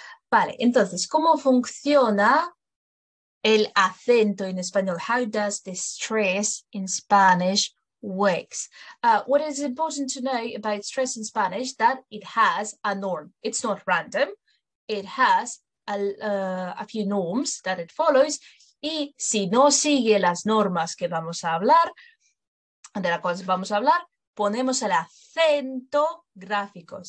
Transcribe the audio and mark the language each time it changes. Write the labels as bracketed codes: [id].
[es] Vale, entonces, ¿cómo funciona el acento en español? [en] How does the stress in Spanish works? What is important to know about stress in Spanish that it has a norm. It's not random. It has a few norms that it follows. [es] Y si no sigue las normas que vamos a hablar, de las cuales vamos a hablar, ponemos el acento gráfico.